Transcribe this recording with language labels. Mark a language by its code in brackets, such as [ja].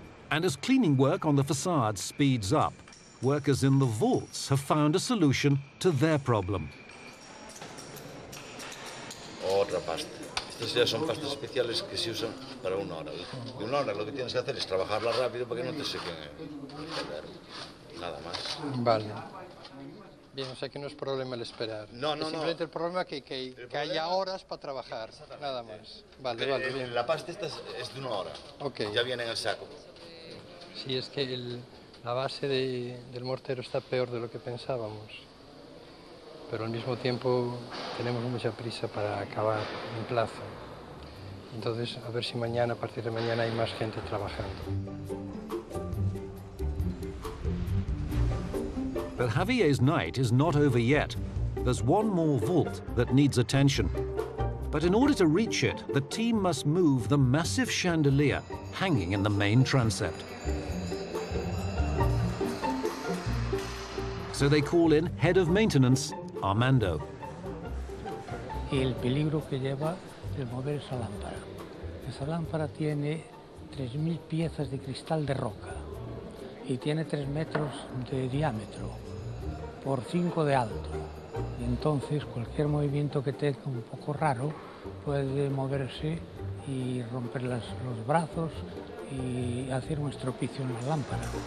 [en] And as cleaning work on the facade speeds up, workers in the vaults have found a solution to their problem. [es] Otra pasta. Estas ya son pastas especiales que se usan para una hora. Y una hora lo que tienes que hacer es trabajarla rápido para que no te seque. Nada más. Vale. Bien, o sea que no es problema el esperar. No, no, es simplemente el problema que haya horas para trabajar. Nada más. Vale, vale. Bien. La pasta esta es de una hora. Okay. Ya viene en el saco. Sí, es que la base del mortero está peor de lo que pensábamos. Pero al mismo tiempo tenemos mucha prisa para acabar en plazo. Entonces, a ver si mañana, a partir de mañana, hay más gente trabajando. [en] But Javier's night is not over yet. There's one more vault that needs attention. But in order to reach it, the team must move the massive chandelier hanging in the main transept. So they call in head of maintenance, Armando. [es] El peligro que lleva el mover esa lámpara. Esa lámpara tiene 3.000 piezas de cristal de roca y tiene 3 metros de diámetro por 5 de alto. Y entonces cualquier movimiento que tenga un poco raro puede moverse y romper los brazos y hacer un estropicio en la lámpara.